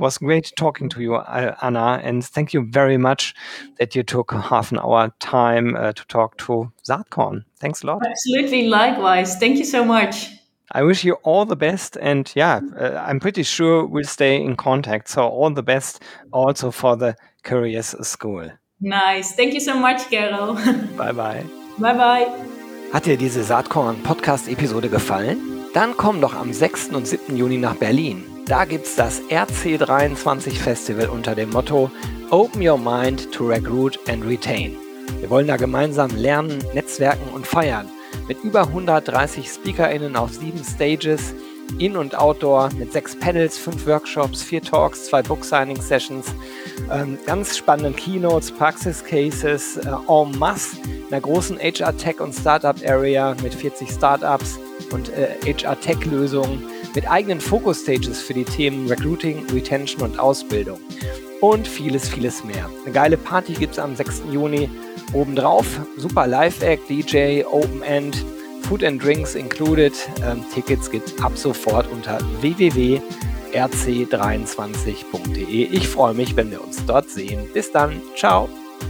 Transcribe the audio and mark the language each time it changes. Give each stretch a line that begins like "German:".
English: Was great talking to you, Anna. And thank you very much that you took half an hour time to talk to Saatkorn. Thanks a lot. Absolutely. Likewise. Thank you so much. I wish you all the best. And yeah, I'm pretty sure we'll stay in contact. So all the best also for the Curious School. Nice. Thank you so much, Carol. Bye-bye. Bye-bye.
German: Hat dir diese Saatkorn-Podcast-Episode gefallen? Dann komm doch am 6. und 7. Juni nach Berlin. Da gibt's das RC23 Festival unter dem Motto Open Your Mind to Recruit and Retain. Wir wollen da gemeinsam lernen, netzwerken und feiern. Mit über 130 SpeakerInnen auf 7 Stages, In- und Outdoor, mit 6 Panels, 5 Workshops, 4 Talks, 2 Book-Signing-Sessions, ganz spannenden Keynotes, Praxis-Cases, en masse, einer großen HR-Tech- und Startup-Area mit 40 Startups und HR-Tech-Lösungen, mit eigenen Focus-Stages für die Themen Recruiting, Retention und Ausbildung. Und vieles, vieles mehr. Eine geile Party gibt es am 6. Juni. Obendrauf super Live-Act, DJ, Open-End,
English: Food and Drinks included.
German: Tickets gibt es ab sofort unter www.rc23.de. Ich freue mich, wenn wir uns dort sehen. Bis dann. Ciao.